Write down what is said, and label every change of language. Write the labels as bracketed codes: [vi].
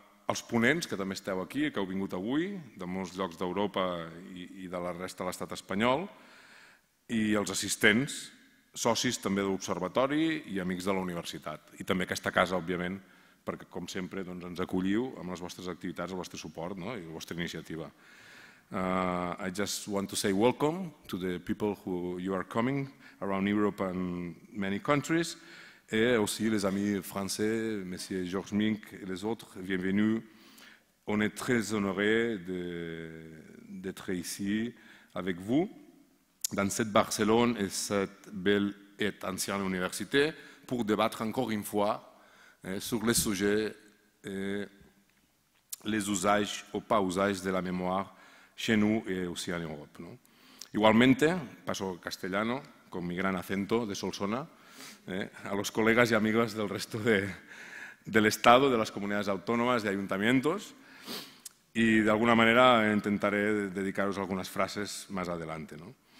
[ca] Els ponents, que també esteu aquí, que heu vingut avui, de molts llocs d'Europa i de la resta de l'estat espanyol, i els assistents, socis també de l'Observatori i amics de la Universitat. I també aquesta casa, òbviament, perquè com sempre doncs, ens acolliu amb les vostres activitats, el vostre suport, no?, i la vostra iniciativa. [en] I just want to say welcome to the people who you are coming around Europe and many countries. [fr] Et aussi les amis français, Monsieur Georges Mink et les autres, bienvenue. On est très honorés d'être ici avec vous. Dans cette Barcelone et cette belle et ancienne université, pour débattre encore une fois sur les sujets les usages o pas usages de la mémoire chez nous et aussi en Europe. No? [es] Igualmente, paso castellano, con mi gran acento de Solsona, a los colegas y amigos del resto del Estado, de las comunidades autónomas, de ayuntamientos, y de alguna manera intentaré dedicaros algunas frases más adelante. ¿No?